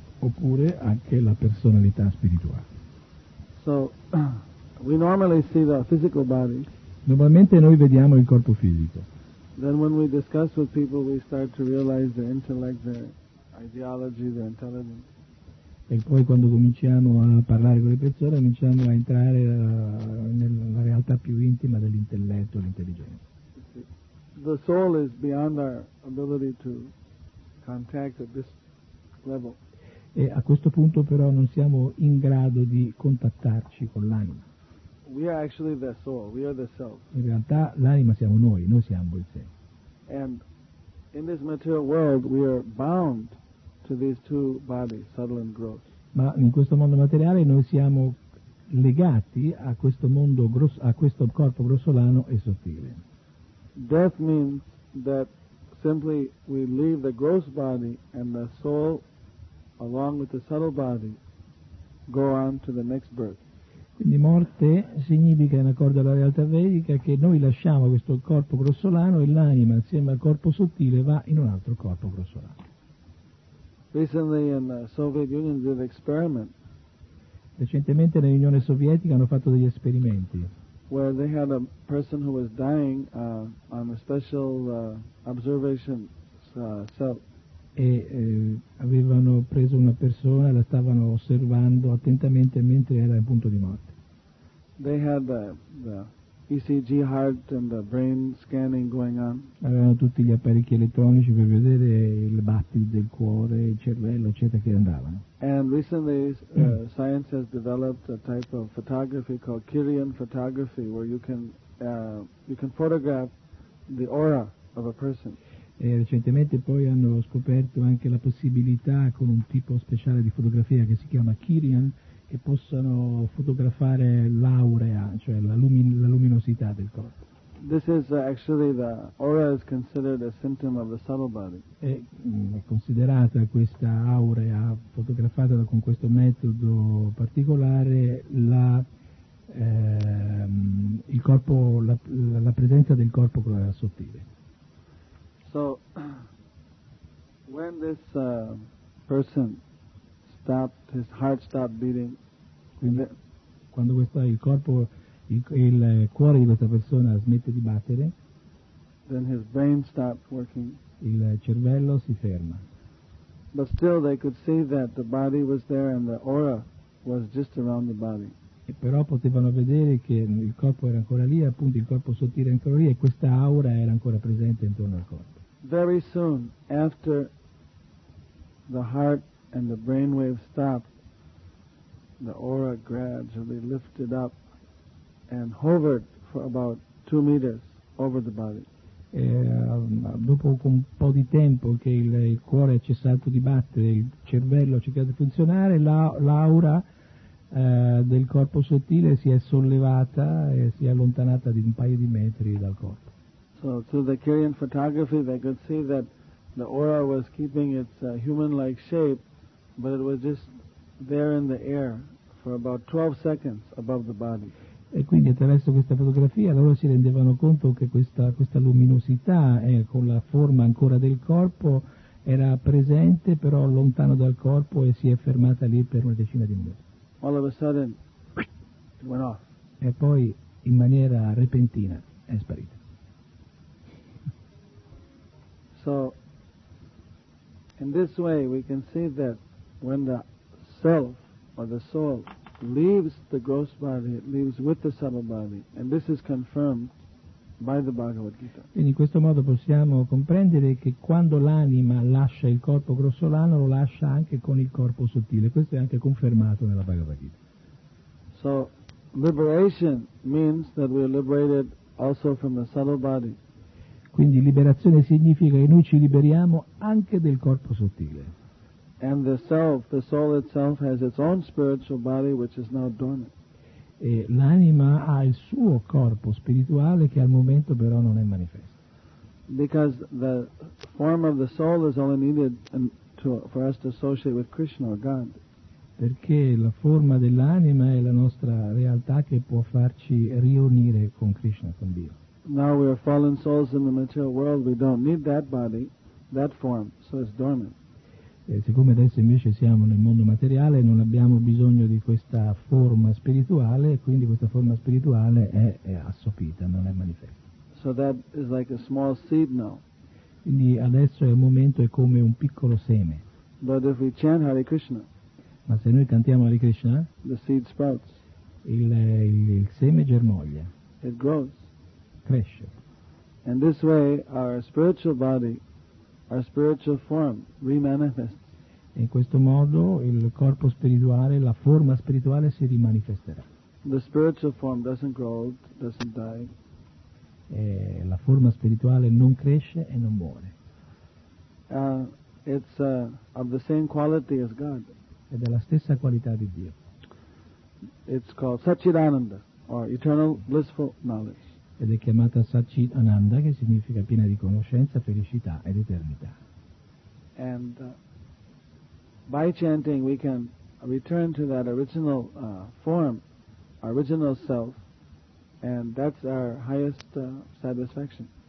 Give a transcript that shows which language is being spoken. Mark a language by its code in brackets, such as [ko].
[it] oppure anche la personalità spirituale. [en] So we normally see the physical body. [it] Normalmente noi vediamo il corpo fisico. [en] Then when we discuss with people, we start to realize their intellect, their ideology, their intelligence. [it] E poi quando cominciamo a parlare con le persone, cominciamo a entrare nella realtà più intima dell'intelletto, l'intelligenza. [en] The soul is beyond our ability to contact at this level. [it] E a questo punto però non siamo in grado di contattarci con l'anima. [en] We are actually the soul. We are the self. [it] In realtà l'anima siamo noi. Noi siamo il sé. [en] And in this material world, we are bound to these two bodies, subtle and gross. [it] Ma in questo mondo materiale noi siamo legati a questo mondo grosso, a questo corpo grossolano e sottile. [en] Death means that simply we leave the gross body and the soul, along with the subtle body, go on to the next birth. [it] Quindi morte significa, in accordo alla realtà vedica, che noi lasciamo questo corpo grossolano e l'anima, insieme al corpo sottile, va in un altro corpo grossolano. [en] Recently in the Soviet Union did an experiment. [it] Recentemente nell'Unione Sovietica hanno fatto degli esperimenti. [en] Where they had a person who was dying on a special observation cell. [it] E avevano preso una persona e la stavano osservando attentamente mentre era in punto di morte. [en] They had the ECG heart and the brain scanning going on. [it] Avevano tutti gli apparecchi elettronici per vedere il battito del cuore, il cervello, eccetera, che andavano. [en] And recently science has developed a type of photography called Kirlian photography, where you can photograph the aura of a person. [it] E recentemente poi hanno scoperto anche la possibilità, con un tipo speciale di fotografia che si chiama Kirlian, che possono fotografare l'aurea, cioè la luminosità del corpo. [en] This is actually the aura is considered a symptom of the subtle body. [it] È considerata questa aurea fotografata con questo metodo particolare la il corpo la presenza del corpo sottile. [en] So when this person stopped, his heart stopped beating. [it] Quando questo il corpo il cuore di questa persona smette di battere, [en] then his brain stopped working. [it] Il cervello si ferma. [en] But still they could see that the body was there and the aura was just around the body. [it] E però potevano vedere che il corpo era ancora lì, appunto il corpo sottile era ancora lì e questa aura era ancora presente intorno al corpo. [en] Very soon after the heart and the brain wave stopped, the aura gradually lifted up and hovered for about 2 meters over the body. [it] Dopo un po' di tempo che il cuore ha cessato di battere, il cervello ha cercato di funzionare, l'aura del corpo sottile si è sollevata e si è allontanata di un paio di metri dal corpo. [en] So through the Kirlian photography they could see that the aura was keeping its human-like shape, but it was just there in the air for about 12 seconds above the body. [it] E quindi attraverso questa fotografia loro si rendevano conto che questa luminosità con la forma ancora del corpo era presente però lontano dal corpo e si è fermata lì per una decina di minuti. [en] All of a sudden, it went off. [it] E poi in maniera repentina è sparita. [en] So, in this way we can see that when the self or the soul leaves the gross body, it leaves with the subtle body, and this is confirmed by the Bhagavad Gita. [it] Quindi in questo modo possiamo comprendere che quando l'anima lascia il corpo grossolano, lo lascia anche con il corpo sottile. Questo è anche confermato nella Bhagavad Gita. [en] So, liberation means that we are liberated also from the subtle body. [it] Quindi liberazione significa che noi ci liberiamo anche del corpo sottile. [en] And the self, the soul itself, has its own spiritual body, which is now dormant. [it] E l'anima ha il suo corpo spirituale che al momento però non è manifesto. [en] Because the form of the soul is only needed for us to associate with Krishna or God. [it] Perché la forma dell'anima è la nostra realtà che può farci riunire con Krishna, con Dio. [en] Now we are fallen souls in the material world, we don't need that body, that form, so it's dormant. [it] E siccome adesso invece siamo nel mondo materiale, non abbiamo bisogno di questa forma spirituale, quindi questa forma spirituale è assopita, non è manifesta. [en] So that is like a small seed now. [it] Quindi adesso è un momento, è come un piccolo seme. [en] But if we chant Hare Krishna, [it] ma se noi cantiamo Hare Krishna, [en] the seed sprouts. [it] Il seme germoglia. [en] It grows. [it] Cresce. [en] And this way our spiritual body, our spiritual form re-manifests. [it] In questo modo il corpo spirituale, la forma spirituale si rimanifesterà. [en] The spiritual form doesn't grow old, doesn't die. [it] E la forma spirituale non cresce e non muore. [en] It's of the same quality as God. [it] Ed è la stessa qualità di Dio. [en] It's called Satchidananda, or eternal blissful knowledge. [it] Ed è chiamata Satchit Ananda, che significa piena di conoscenza, felicità ed eternità. [en] And by chanting we can return to that original form, our original self, and that's our highest satisfaction.